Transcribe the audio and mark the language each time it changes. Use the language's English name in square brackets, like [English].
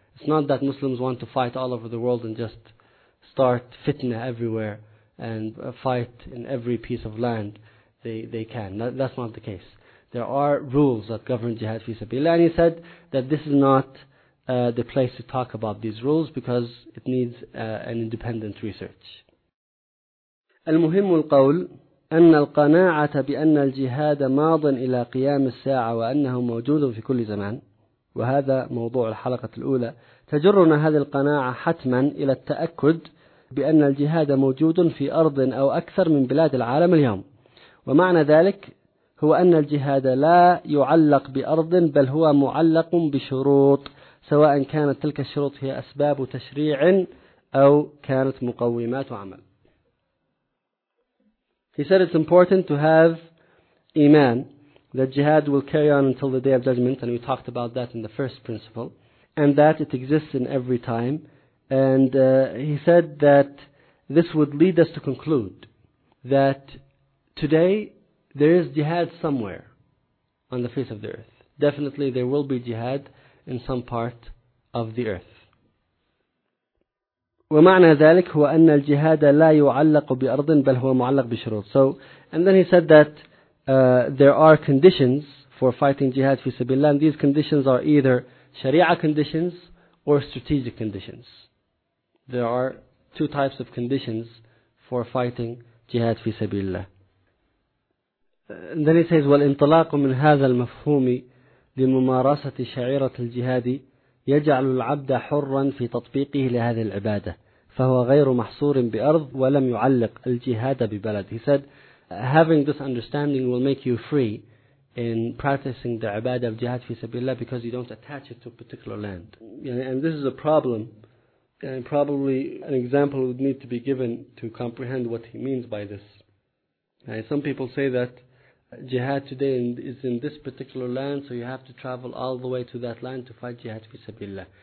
[English] It's not that Muslims want to fight all over the world and just start fitna everywhere and fight in every piece of land they can. That's not the case. There are rules that govern jihad fi sabilillah. And he said that this is not the place to talk about these rules because it needs an independent research. [Arabic] المهم القول أن القناعة بأن الجهاد ماض إلى قيام الساعة وأنه موجود في كل زمان وهذا موضوع الحلقة الأولى تجرنا هذه القناعة حتما إلى التأكد بأن الجهاد موجود في أرض أو أكثر من بلاد العالم اليوم ومعنى ذلك هو أن الجهاد لا يعلق بأرض بل هو معلق بشروط سواء كانت تلك الشروط هي أسباب تشريع أو كانت مقومات عمل. [English] He said it's important to have iman that jihad will carry on until the day of judgment, and we talked about that in the first principle, and that it exists in every time. And he said that this would lead us to conclude that today there is jihad somewhere on the face of the earth. Definitely there will be jihad in some part of the earth. [Arabic] ومعنى ذلك هو أن الجهاد لا يعلق بأرض بل هو معلق بشروط. [English] So, and then he said that there are conditions for fighting jihad [Arabic] في سبيل الله. [English] These conditions are either sharia conditions or strategic conditions. There are two types of conditions for fighting jihad [Arabic] في سبيل الله. And then he says, والانطلاق من هذا المفهوم لممارسة شعيرة الجهاد يجعل العبد حرا في تطبيقه لهذه العبادة فهو غير محصور بأرض ولم يعلق الجهاد ببلد. [English] He said, having this understanding will make you free in practicing the ibadah of jihad fi sabilillah because you don't attach it to a particular land. And this is a problem, and probably an example would need to be given to comprehend what he means by this. And some people say that jihad today is in this particular land, so you have to travel all the way to that land to fight jihad fi sabilillah.